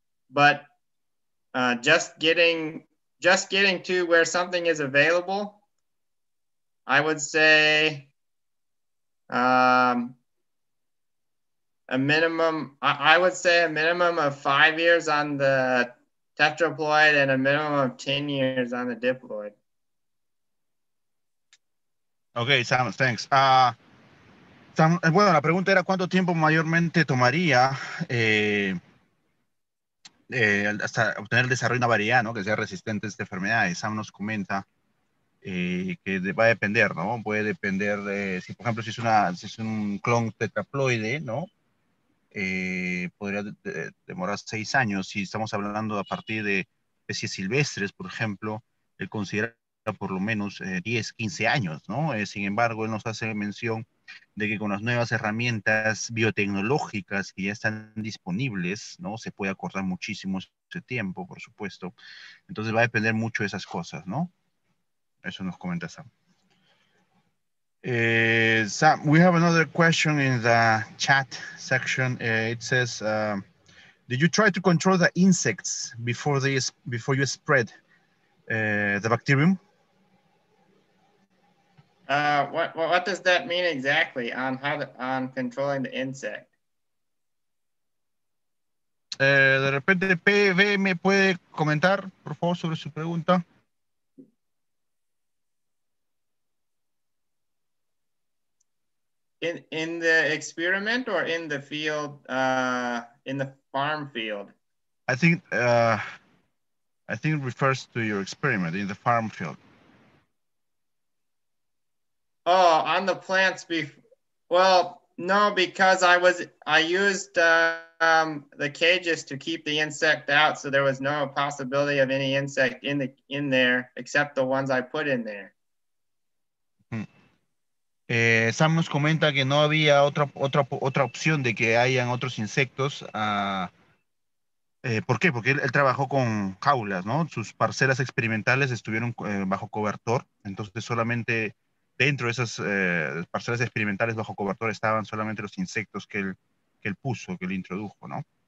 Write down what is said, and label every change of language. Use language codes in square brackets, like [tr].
[en] But just getting to where something is available, I would say a minimum of 5 years on the tetraploid and a minimum of 10 years on the diploid. Okay, Sam, thanks. [es] Bueno, la pregunta era cuánto tiempo mayormente tomaría hasta obtener el desarrollo de una variedad, ¿no? Que sea resistente a esta enfermedad. Sam nos comenta que va a depender, ¿no? Puede depender de si, por ejemplo, si es un clon tetraploide, ¿no? Podría demorar 6 años. Si estamos hablando a partir de especies silvestres, por ejemplo, él considera por lo menos 10, 15 años, ¿no? Sin embargo, él nos hace mención de que con las nuevas herramientas biotecnológicas que ya están disponibles, ¿no? Se puede acortar muchísimo ese tiempo, por supuesto. Entonces va a depender mucho de esas cosas, ¿no? Eso nos comenta Sam. [en] Sam, we have another question in the chat section. It says, did you try to control the insects before you spread the bacterium? What does that mean exactly on controlling the insect? [es] De repente PV me puede comentar, por favor, sobre su pregunta. [en] In the experiment or in the field, in the farm field? I think it refers to your experiment in the farm field. Oh, on the plants, well, no, because I used the cages to keep the insect out, so there was no possibility of any insect in there, except the ones I put in there. [es] Sam nos comenta que no había otra opción de que hayan otros insectos. ¿Por qué? Porque él trabajó con jaulas, ¿no? Sus parcelas experimentales estuvieron bajo cobertor, entonces solamente dentro de esas parcelas experimentales bajo cobertor estaban solamente los insectos que él puso, que él introdujo, ¿no?